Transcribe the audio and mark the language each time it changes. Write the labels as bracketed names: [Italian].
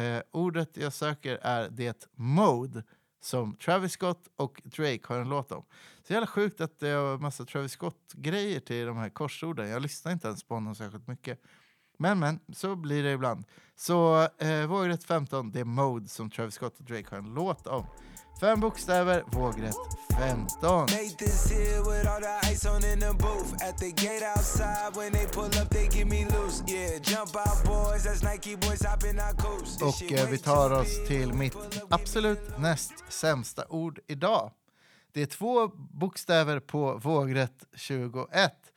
[Swedish] ordet jag söker är det mode som Travis Scott och Drake har en låt om. Så jävla sjukt att det är massa Travis Scott-grejer till de här korsorden. Jag lyssnar inte ens på honom särskilt mycket. Men, så blir det ibland. Så vågrätt 15, det är mode som Travis Scott och Drake har en låt om. Fem bokstäver, vågrätt 15. [English] Made this here with all the ice on in the booth. At the gate outside, when they pull up, they give me loose. Yeah, jump out boys, that's Nike boys, hop in our coast. [Swedish] Och vi tar oss till mitt absolut näst sämsta ord idag. Det är två bokstäver på vågrätt 21.